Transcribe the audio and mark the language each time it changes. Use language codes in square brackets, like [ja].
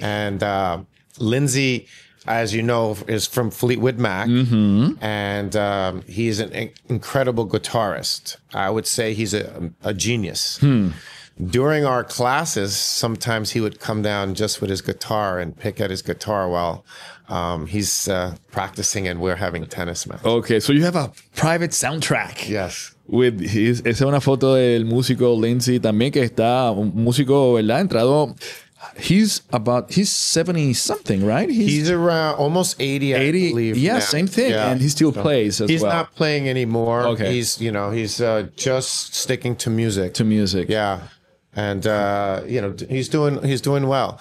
[en] And Lindsay, as you know, is from Fleetwood Mac, and he is an incredible guitarist. I would say he's a genius. During our classes, sometimes he would come down just with his guitar and pick at his guitar while he's practicing and we're having tennis match. Okay, so you have a private soundtrack. Yes. With his, [es] esa es una foto del músico Lindsay también, que está un músico, ¿verdad? Entrado. [en] He's about, he's 70 something, right? He's around almost 80, 80, I believe. Yeah, now. Same thing. Yeah. And he still plays as he's well. He's not playing anymore. Okay. He's, you know, he's just sticking to music. To music. Yeah. And, you know, he's doing well.